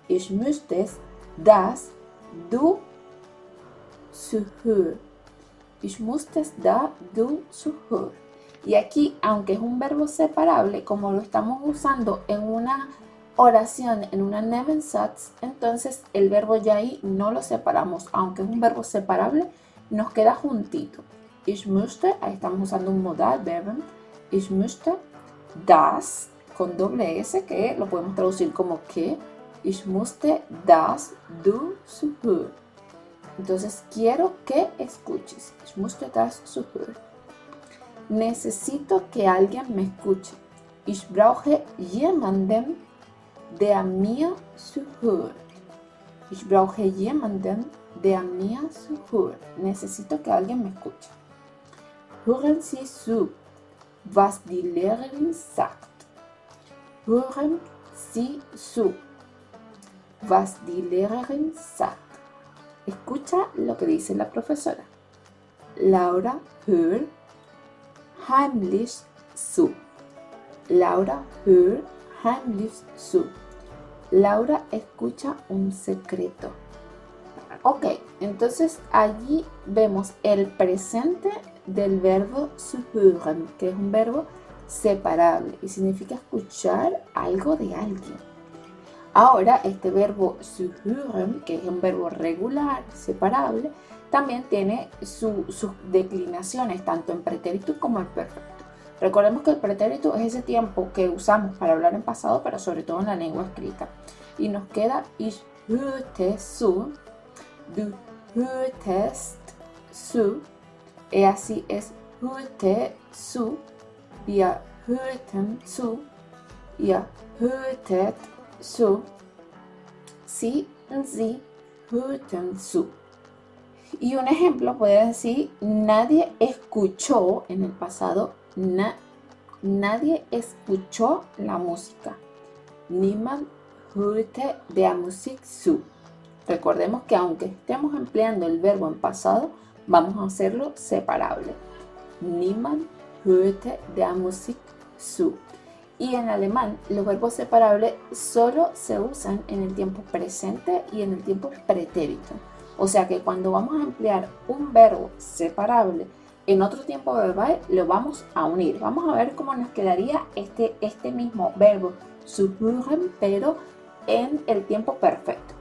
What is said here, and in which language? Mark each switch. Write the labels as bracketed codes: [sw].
[de] Ich möchte, dass du zuhörst. Ich möchte, dass du zuhörst. [es] Y aquí, aunque es un verbo separable, como lo estamos usando en una oración, en una Nebensatz, entonces el verbo ya ahí no lo separamos. Aunque es un verbo separable, nos queda juntito. [de] Ich möchte, [es] ahí estamos usando un modal verben. [de] Ich möchte, dass, [es] con doble S, que lo podemos traducir como que. [de] Ich möchte, dass du zuhörst. [es] Entonces, quiero que escuches. [de] Ich möchte, dass du zuhörst. [es] Necesito que alguien me escuche. [de] Ich brauche jemanden, der mir zuhört. Ich brauche jemanden, der mir zuhört. [es] Necesito que alguien me escuche. [de] Hören Sie zu, was die Lehrerin sagt. Hören Sie zu, was die Lehrerin sagt. [es] Escucha lo que dice la profesora. [de] Laura hört heimlich zu. Laura hört heimlich zu. [es] Laura escucha un secreto. Ok, entonces allí vemos el presente del verbo zuhören, que es un verbo separable y significa escuchar algo de alguien. Ahora, este verbo zuhören, que es un verbo regular, separable, también tiene sus declinaciones, tanto en pretérito como en perfecto. Recordemos que el pretérito es ese tiempo que usamos para hablar en pasado, pero sobre todo en la lengua escrita. Y nos queda [de] ich hörte zu, du hörtest zu, [es] y así es [de] hörte zu, wir hörten zu, ihr hörtet zu, sie und sie hörten zu. [es] Y un ejemplo puede decir, nadie escuchó en el pasado, nadie escuchó la música. [de] Niemand hörte der Musik zu. [es] Recordemos que aunque estemos empleando el verbo en pasado, vamos a hacerlo separable. [de] Niemand hörte der Musik zu. [es] Y en alemán, los verbos separables solo se usan en el tiempo presente y en el tiempo pretérito. O sea que cuando vamos a emplear un verbo separable en otro tiempo verbal, lo vamos a unir. Vamos a ver cómo nos quedaría este mismo verbo, zuhören, pero en el tiempo perfecto.